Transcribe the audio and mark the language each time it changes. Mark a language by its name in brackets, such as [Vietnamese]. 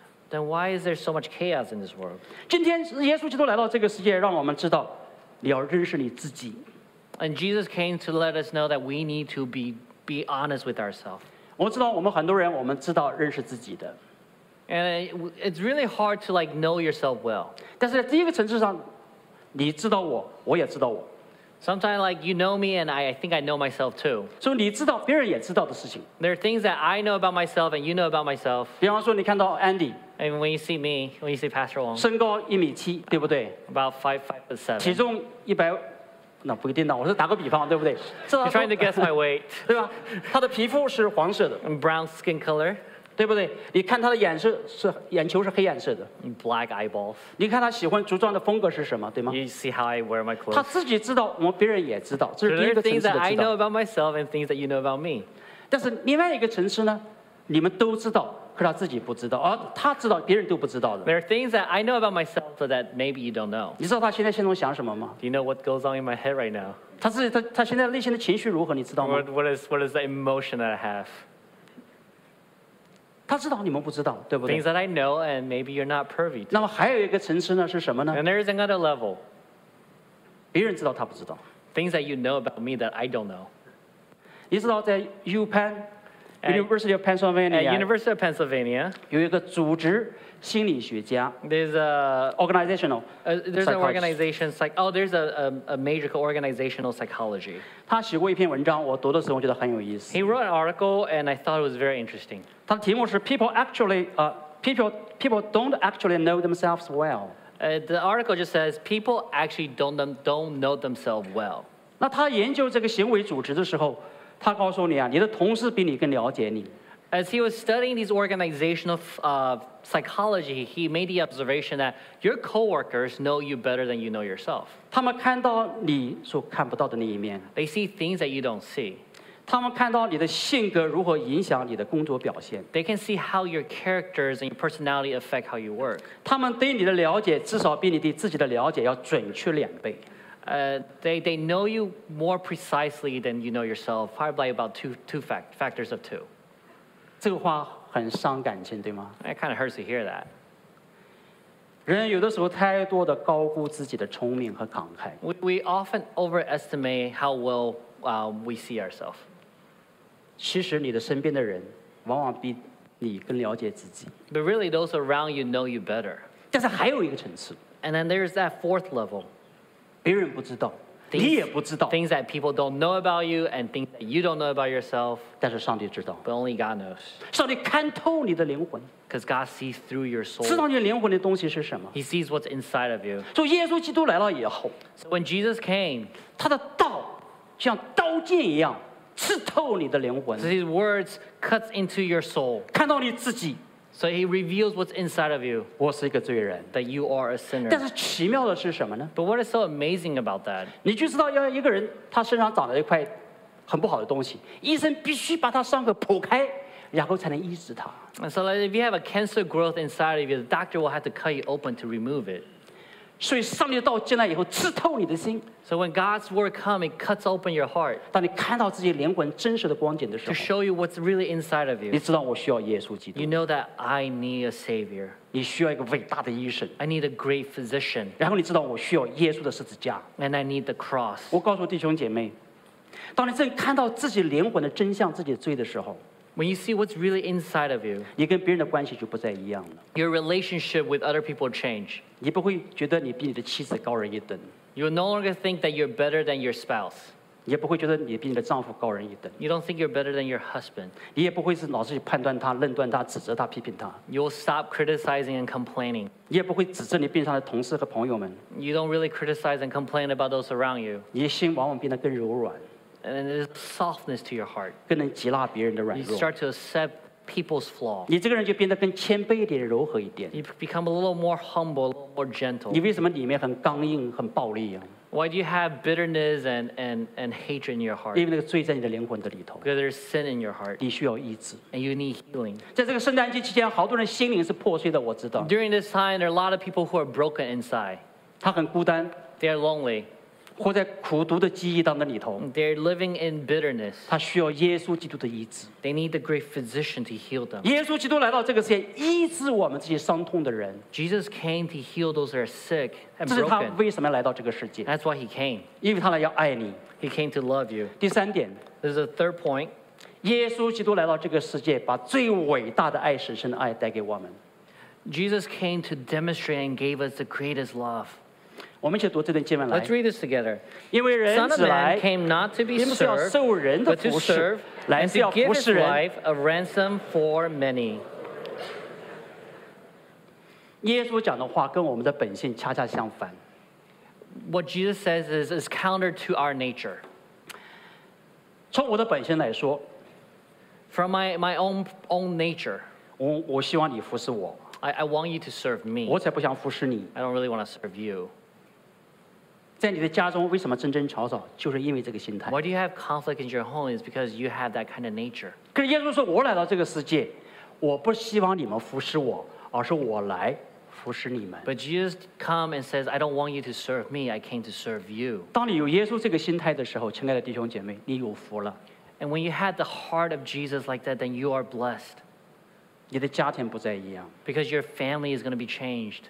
[English] Then why is there so much chaos in this world? [Chinese] 今天耶稣基督来到这个世界，让我们知道，你要认识你自己。 [English] And Jesus came to let us know that we need to be honest with ourselves. [Chinese] 我知道我们很多人，我们知道认识自己的。 [English] And it's really hard to like know yourself well. [Chinese] 但是在第一个层次上，你知道我，我也知道我。 [English] Sometimes like you know me and I think I know myself too. [Chinese] 所以你知道别人也知道的事情。 [English] There are things that I know about myself and you know about myself. [Chinese] 比方说你看到 Andy. [English] And when you see me, when you see Pastor Wong. [Chinese] 身高一米七，对不对？ [English] About 5'7". [Chinese] 体重一百，那不一定的，我是打个比方，对不对？ [English] You're trying to guess my weight. [Chinese] 对吧？他的皮肤是黄色的。 [English] And brown skin color. [Chinese] 对不对？你看他的眼色是眼球是黑颜色的。 [English] Black eyeballs. [Chinese] 你看他喜欢着装的风格是什么，对吗？ [English] You see how I wear my clothes. [Chinese] 他自己知道，我们别人也知道，这是第一个层次的知道。 [English] There are things that I know about myself and things that you know about me. [Chinese] 但是另外一个层次呢，你们都知道，可他自己不知道，而他知道，别人都不知道的。 [English] There are things that I know about myself that maybe you don't know. [Chinese] 你知道他现在心中想什么吗？ [English] Do you know what goes on in my head right now? [Chinese] 他现在内心的情绪如何，你知道吗？ [English] What is the emotion that I have? [Chinese] 他知道你们不知道，对不对？ [English] Things that I know and maybe you're not privy to. [Chinese] 那么还有一个层次呢，是什么呢？ [English] And there is another level. [Chinese] 别人知道他不知道。 [English] Things that you know about me that I don't know. [Chinese] 你知道在 UPenn, University of Pennsylvania, [English] at University of Pennsylvania, [Chinese] 有一个组织心理学家。 [English] There's a organizational. There's an organization psych. Oh, there's a major organizational psychology. [Chinese] 他写过一篇文章，我读的时候觉得很有意思。 [English] He wrote an article, and I thought it was very interesting. [Chinese] 他的题目是 [English] People don't actually know themselves well. The article just says people actually don't know themselves well. [Chinese] 那他研究这个行为组织的时候，他告诉你啊，你的同事比你更了解你。 [English] As he was studying these organizational psychology, he made the observation that your coworkers know you better than you know yourself. [Chinese] 他们看到你所看不到的那一面。 [English] They see things that you don't see. [Chinese] 他们看到你的性格如何影响你的工作表现。 [English] They can see how your characters and your personality affect how you work. [Chinese] 他们对你的了解至少比你对自己的了解要准确两倍。 [English] They know you more precisely than you know yourself, probably about two factors of two. [Chinese] 这个话很伤感情，对吗？ [English] It kind of hurts to hear that. [Chinese] 人有的时候太多的高估自己的聪明和慷慨。 [English] We often overestimate how well we see ourselves. [Chinese] 其实你的身边的人往往比你更了解自己。 [English] But really, those around you know you better. [Chinese] 但是还有一个层次。 [English] And then there's that fourth level. [Chinese] 别人不知道， [English] things, [Chinese] 你也不知道。 [English] Things that people don't know about you, and things that you don't know about yourself. [Chinese] 但是上帝知道。 [English] But only God knows. [Chinese] 上帝看透你的灵魂。 [English] Because God sees through your soul. [Chinese] 知道你灵魂的东西是什么。 [English] He sees what's inside of you. [Chinese] 所以耶稣基督来了以后， [English] So when Jesus came, [Chinese] 他的道像刀剑一样刺透你的灵魂。 [English] So his words cuts into your soul. [Chinese] 看到你自己。 [English] So he reveals what's inside of you. [Chinese] 我是一个罪人。 [English] That you are a sinner. [Chinese] 但是奇妙的是什么呢？ [English] But what is so amazing about that? [Chinese] 你就知道要一个人他身上长了一块很不好的东西，医生必须把他伤口剖开，然后才能医治他。 [English] And so like if you have a cancer growth inside of you, the doctor will have to cut you open to remove it. [Chinese] 所以上帝的道进来以后刺透你的心。 [English] So when God's word comes, it cuts open your heart. [Chinese] 当你看到自己灵魂真实的光景的时候 [English] ，to show you what's really inside of you. [Chinese] 你知道我需要耶稣基督。 [English] You know that I need a savior. [Chinese] 你需要一个伟大的医生。 [English] I need a great physician. [Chinese] 然后你知道我需要耶稣的十字架。 [English] And I need the cross. [Chinese] 我告诉弟兄姐妹，当你正看到自己灵魂的真相、自己的罪的时候。 [English] When you see what's really inside of you, [Chinese] 你跟别人的关系就不再一样了。 [English] Your relationship with other people change. [Chinese] 你不会觉得你比你的妻子高人一等。 [English] You no longer think that you're better than your spouse. [Chinese] 你也不会觉得你比你的丈夫高人一等。 [English] You don't think you're better than your husband. [Chinese] 你也不会是老是去判断他、论断他、指责他、批评他。 [English] You'll stop criticizing and complaining. [Chinese] 你也不会指责你病上的同事和朋友们。 [English] You don't really criticize and complain about those around you. [Chinese] 你心往往变得更柔软。 [English] And there's softness to your heart. [Chinese] 更能接纳别人的软弱。 [English] You start to accept people's flaw. [Chinese] 你这个人就变得更谦卑一点，柔和一点。 [English] You become a little more humble, a little more gentle. [Chinese] 你为什么里面很刚硬，很暴力啊？ [English] Why do you have bitterness and hatred in your heart? [Chinese] 因为那个罪在你的灵魂的里头。 [English] Because there's sin in your heart. [Chinese] 你需要医治。 [English] And you need healing. [Chinese] 在这个圣诞节期间，好多人心灵是破碎的，我知道。 [English] During this time, there are a lot of people who are broken inside. [Chinese] 他很孤单。 [English] They are lonely. [Chinese] 活在苦毒的记忆当中里头。 [English] They're living in bitterness. [Chinese] 他需要耶稣基督的医治。 [English] They need the great physician to heal them. [Chinese] 耶稣基督来到这个世界，医治我们这些伤痛的人。 [English] Jesus came to heal those that are sick and broken. [Chinese] 这是他为什么来到这个世界。 [English] That's why he came. [Chinese] 因为他来要爱你。 [English] He came to love you. [Chinese] 第三点。 [English] This is a third point. [Chinese] 耶稣基督来到这个世界，把最伟大的爱、神圣的爱带给我们。 [English] Jesus came to demonstrate and gave us the greatest love. [Chinese] 我们一起读这段经文来。 [English] Let's read this together. [Chinese] 因为人子来 [English] came not to be served, [Chinese] 是要受人的服侍，来是要服侍人。 [English] And to give his life a ransom for many. [Chinese] 耶稣讲的话跟我们的本性恰恰相反。 [English] What Jesus says is counter to our nature. [Chinese] 从我的本性来说 [English] ，from my own nature. [Chinese] 我希望你服侍我。 [English] I want you to serve me. [Chinese] 我才不想服侍你。 [English] I don't really want to serve you. [Chinese] 在你的家中为什么争争吵吵就是因为这个心态 [English] Why do you have conflict in your home is because you have that kind of nature [Chinese] 可是耶稣说我来到这个世界我不希望你们服侍我而是我来服侍你们 [English] But Jesus comes and says I don't want you to serve me I came to serve you [Chinese] 当你有耶稣这个心态的时候亲爱的弟兄姐妹你有福了 [English] And when you had the heart of Jesus like that then you are blessed Because your family is going to be changed.